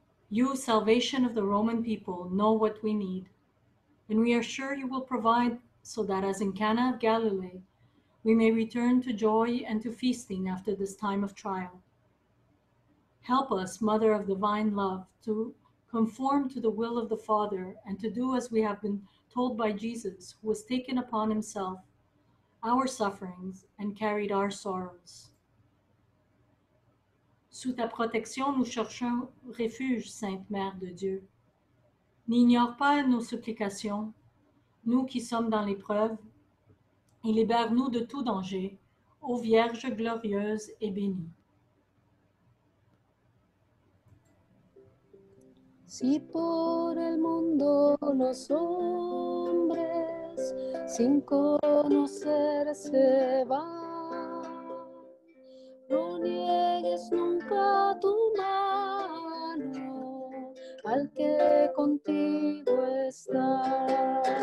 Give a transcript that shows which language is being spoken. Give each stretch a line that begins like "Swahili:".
English: You, salvation of the Roman people, know what we need, and we are sure you will provide so that as in Cana of Galilee, we may return to joy and to feasting after this time of trial. Help us, Mother of Divine Love, to conform to the will of the Father and to do as we have been told by Jesus, who has taken upon himself our sufferings and carried our sorrows.
French: Sous ta protection, nous cherchons refuge, Sainte Mère de Dieu. N'ignore pas nos supplications, nous qui sommes dans l'épreuve, et libère-nous de tout danger, ô Vierge glorieuse et bénie.
Spanish: Si por el mundo los hombres sin conocer se van, no niegues nunca tu mano al que contigo está.